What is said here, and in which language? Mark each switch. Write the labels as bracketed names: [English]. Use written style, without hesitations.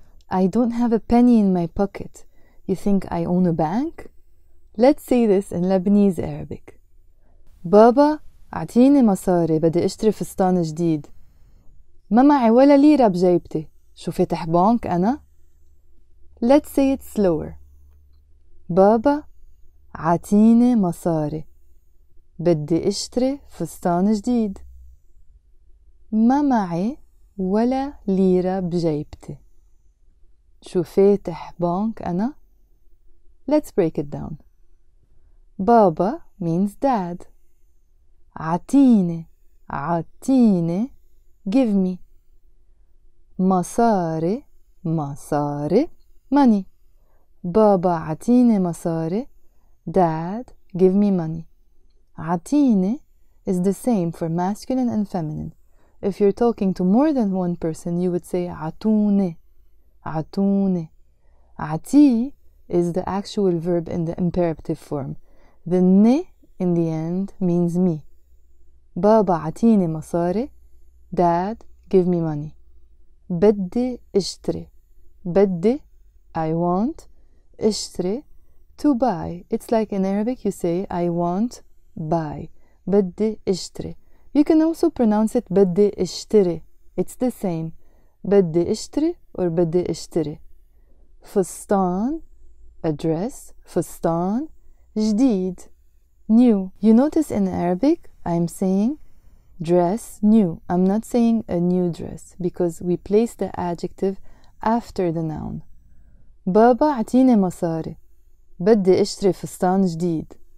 [English] I don't have a penny in my pocket. You think I own a bank? Let's say this in Lebanese Arabic. [Arabic] بابا اعطيني مصاري بدي اشتري فستان جديد. ما معي ولا ليرة بجيبتي. شو فاتح بنك انا؟ [English] Let's say it slower. [Arabic] بابا اعطيني مصاري بدي اشتري فستان جديد. ما معي ولا ليرة بجيبتي. شو فاتح بنك انا؟ [English] Let's break it down. [Arabic] بابا [English] means dad. [Arabic] عطيني عطيني [English] give me. [Arabic] مصاري مصاري [English] money. [Arabic] بابا عطيني مصاري [English] dad give me money. عطيني is the same for masculine and feminine. If you're talking to more than one person, you would say [Arabic] عطوني عطوني. [English] عطي is the actual verb in the imperative form. The ne in the end means me. [Arabic] بابا عطيني مصاري [English] dad give me money. [Arabic] بدي اشتري بدي [English] I want [Arabic] اشتري [English] to buy. It's like in Arabic you say I want buy. [Arabic] بدي اشتري. [English] You can also pronounce it بدي اشتري. It's the same. [Arabic] بدي اشتري or بدي اشتري. فستان [English] a dress. [Arabic] فستان جديد [English] new. You notice in Arabic I'm saying dress new. I'm not saying a new dress because we place the adjective after the noun. [Arabic] بابا اعطيني مصاري بدي اشتري فستان جديد.